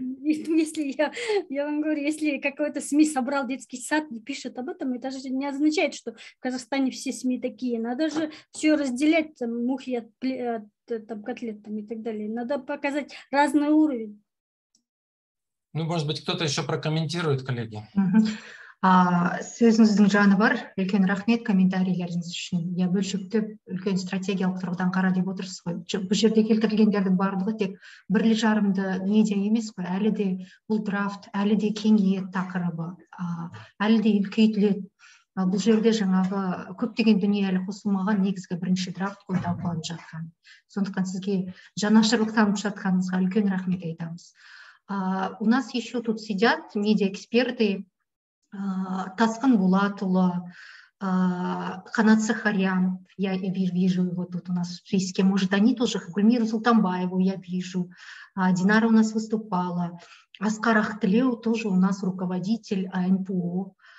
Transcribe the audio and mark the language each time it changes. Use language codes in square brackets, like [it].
[ru] Если я вам говорю, если какой-то СМИ собрал детский сад и пишет об этом, это же не означает, что в Казахстане все СМИ такие. Надо же все разделять, там, мухи от котлет там, и так далее. Надо показать разный уровень. Ну, может быть, кто-то еще прокомментирует, коллеги. [kk] Сөзіңіздің жаны бар, үлкен рахмет комментарийлеріңіз үшін. Я бөлшекті үлкен стратегиялық тұрғыдан қара деп отырсыз ғой. Бұл жерде келтірілгендердің барлығы тек бірлі жарымды медиа емес қой. Әлі де бұл драфт, әлі де кеңейет тақырыбы, әлі де үлкейтіледі. Бұл жерде жаңағы көптеген дүние әлі қосылмаған негізгі бірінші драфт қой талқыланып жатқан. Сондықтан сізге жанашырлық танып жатқаныңызға үлкен рахмет айтамыз. [ru] У нас еще тут сидят медиа эксперты. Тасқын Булатұлы, Қанат Сахарян, я вижу его тут у нас в списке, может, они тоже, Гүлмира Султанбаева, я вижу, Динара у нас выступала, Асқар Ақтілеу тоже у нас руководитель АНПО.